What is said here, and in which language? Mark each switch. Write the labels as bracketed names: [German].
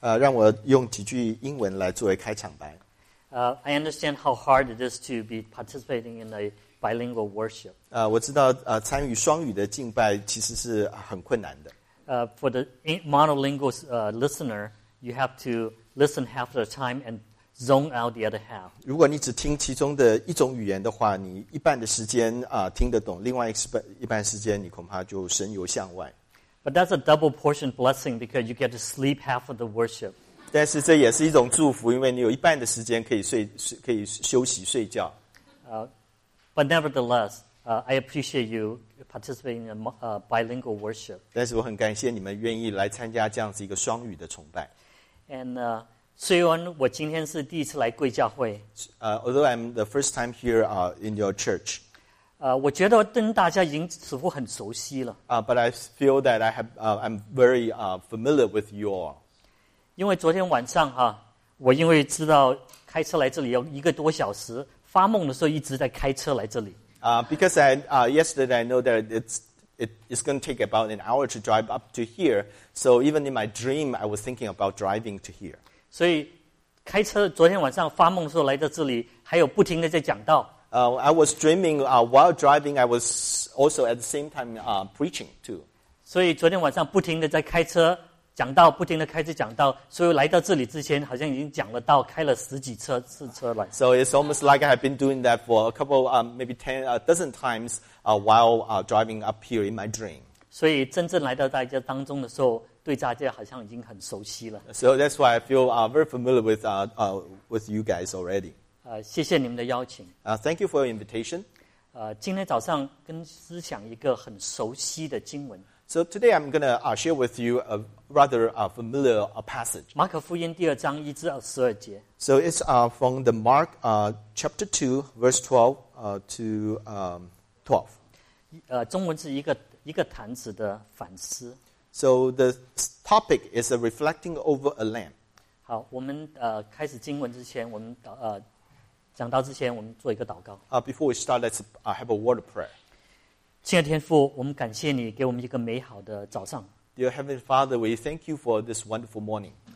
[Chinese] 让我用几句英文来作为开场白。 [English] I understand how hard it is to be participating in a bilingual worship. [Chinese] 我知道参与双语的敬拜其实是很困难的。 [English] For the monolingual listener, you have to listen half the time and zone out the other half. [Chinese] 如果你只听其中的一种语言的话，你一半的时间听得懂，另外一半时间你恐怕就神游向外。 [English] But that's a double portion blessing because you get to sleep half of the worship. [Chinese] 但是这也是一种祝福，因为你有一半的时间可以休息睡觉。 [English] But nevertheless, I appreciate you participating in bilingual worship. [Chinese] 但是我很感谢你们愿意来参加这样子一个双语的崇拜。虽然我今天是第一次来贵教会 [English] although I'm the first time here in your church [Chinese] 我觉得跟大家已经似乎很熟悉了 [English] but I feel that I have, I'm very familiar with you all [Chinese] 因为昨天晚上我因为知道开车来这里要一个多小时发梦的时候一直在开车来这里 [English] because I, yesterday I know that it's going to take about an hour to drive up to here so even in my dream I was thinking about driving to here [Chinese] 所以开车昨天晚上发梦的时候来到这里还有不停的在讲道。 [English] I was dreaming, while driving, I was also at the same time, preaching too. [Chinese] 所以昨天晚上不停的在开车讲道不停的开车讲道所以来到这里之前好像已经讲了道开了十几车次车了。 [English] So it's almost like I have been doing that for a couple, maybe ten, a dozen times, while, driving up here in my dream. [Chinese] 所以真正来到大家当中的时候对大家好像已经很熟悉了。 [English] So that's why I feel very familiar with you guys already. [Chinese] 谢谢你们的邀请。 [English] Thank you for your invitation. [Chinese] 今天早上跟思想一个很熟悉的经文。 [English] So today I'm going to share with you a rather familiar passage. [Chinese] 马可福音第二章一至十二节。 [English] So it's from the Mark chapter 2 verse 12 to 12. [Chinese] 中文是一个坛子的反思。 [English] So the topic is a reflecting over a lamb. [Chinese] 好，我们开始经文之前，我们讲到之前，我们做一个祷告。 [English] Before we start, let's have a word of prayer. [Chinese] 亲爱的天父，我们感谢你给我们一个美好的早上。 [English] Dear Heavenly Father, we thank you for this wonderful morning.